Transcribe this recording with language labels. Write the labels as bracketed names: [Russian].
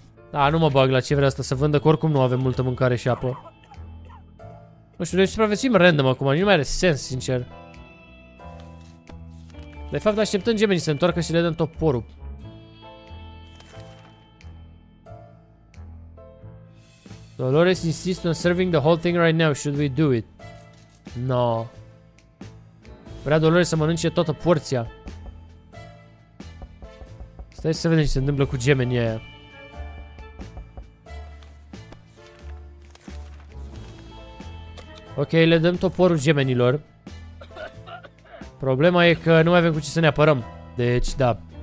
[Romanian] Da, nu mă bag la ce vrea asta să vândă, că oricum nu avem multă mâncare și apă. Nu știu, deci supraviețuim random acum, nu mai are sens, sincer. De fapt, așteptăm gemenii să se întoarcă și le dăm toporul. [English] Dolores insists on serving the whole thing right now. Should we do it? No. [Romanian] Vrea Dolores să mănânce toată porția. Stai să vedem ce se întâmplă cu gemenii aia. Ok, le dăm toporul gemenilor. Problema e că nu mai avem cu ce să ne apărăm. Deci, da.